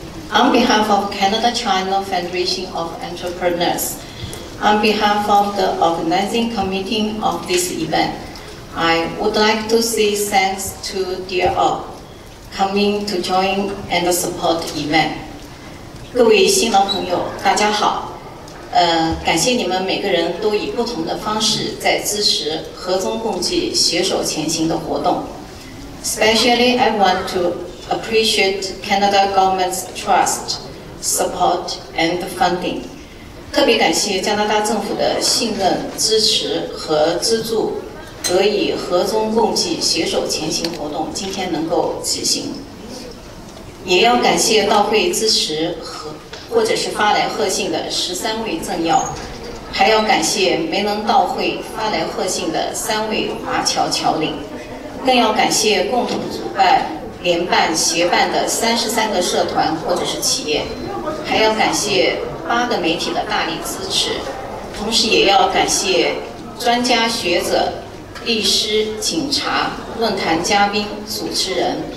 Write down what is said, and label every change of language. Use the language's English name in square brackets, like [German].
[English] On behalf of Canada-China Federation of Entrepreneurs, on behalf of the organizing committee of this event, I would like to say thanks to dear all coming to join and support the event. [Chinese] 各位新老朋友，大家好。感谢你们每个人都以不同的方式在支持和中共济携手前行的活动。 [English] Especially, I want to appreciate Canada government's trust, support and funding. [Chinese] 特别感谢加拿大政府的信任、支持和资助，得以合中共济、携手前行活动今天能够举行。也要感谢到会支持和或者是发来贺信的13位政要，还要感谢没能到会发来贺信的3位华侨侨领，更要感谢共同主办、联办、协办的33个社团或者是企业，还要感谢8个媒体的大力支持，同时也要感谢专家学者、律师、警察、论坛嘉宾、主持人，